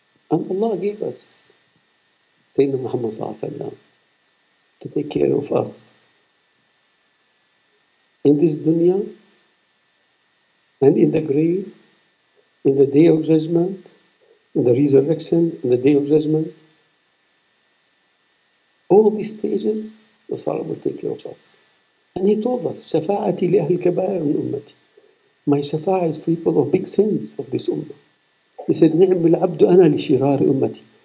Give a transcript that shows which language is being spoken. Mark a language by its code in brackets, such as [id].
[en] And Allah gave us Sayyidina Muhammad صلى الله عليه وسلم to take care of us in this dunya and in the grave, in the day of judgment, in the resurrection, in the day of judgment. All these stages, the Sahaba will take care of us. And he told us, [ar] شفاعتي لأهل كبائر من أمتي. [en] My shafa'ah is for people of big sins of this ummah. He said, [ar] نعم العبد أنا لشرار أمتي.